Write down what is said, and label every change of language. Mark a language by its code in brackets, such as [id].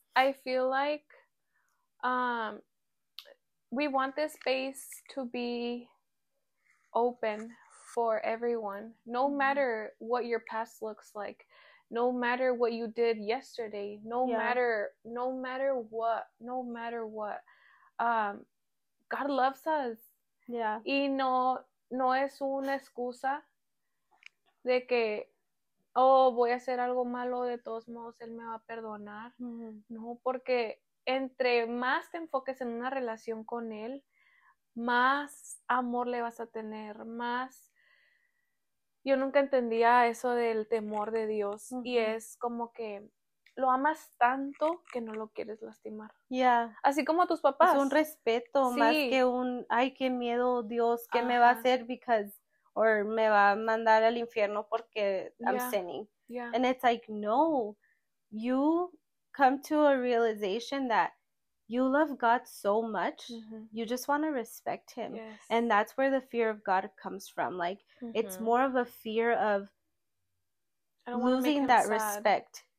[en] But I feel like we want this space to be open for everyone, no matter what your past looks like, no matter what you did yesterday, no matter what, God loves us. [es] Y no es una excusa de que, oh, voy a hacer algo malo, de todos modos él me va a perdonar. No, porque entre más te enfoques en una relación con él, más amor le vas a tener, más. Yo nunca entendía eso del temor de Dios. Y es como que lo amas tanto que no lo quieres lastimar. Así como a tus papás. Es un respeto más que un, ay, qué miedo, Dios, ¿qué me va a hacer? [en] Because, or [es] me va a mandar al infierno porque [en] I'm sinning. And it's like, no, you come to a realization that you love God so much, you just want to respect him. And that's where the fear of God comes from. Like, it's more of a fear of losing that respect.